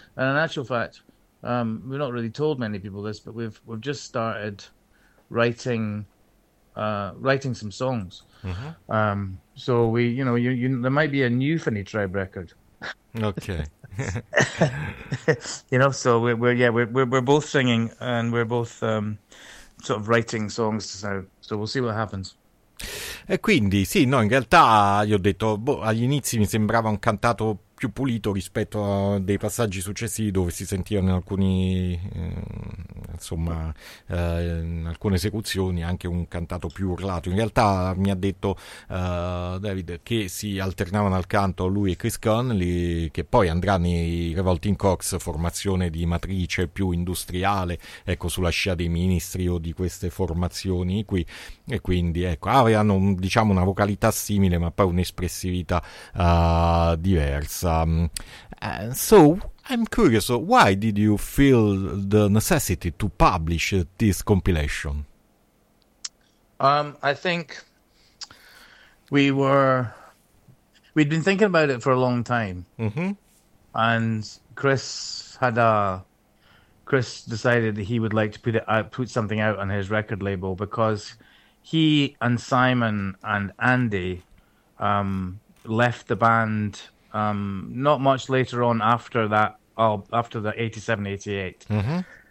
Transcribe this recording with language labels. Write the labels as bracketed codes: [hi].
[en] And in actual fact, we've not really told many people this, but we've just started writing some songs. So we, you know, you there might be a new Finny Tribe record. Okay. You know, so we're both singing and we're both sort of writing songs. So we'll see what happens. [it] E quindi sì, no, in realtà io ho detto agli inizi mi sembrava un cantato più pulito rispetto a dei passaggi successivi dove si sentivano in alcune esecuzioni anche un cantato più urlato. In realtà mi ha detto David che si alternavano al canto lui e Chris Connolly, che poi andrà nei Revolting Cox, formazione di matrice più industriale, ecco, sulla scia dei Ministri o di queste formazioni qui, e quindi ecco, avevano diciamo una vocalità simile ma poi un'espressività diversa. [en] So I'm curious, why did you feel the necessity to publish this compilation? I think we'd been thinking about it for a long time, and Chris decided that he would like to put something out on his record label, because he and Simon and Andy left the band not much later on after that, after the 87-88.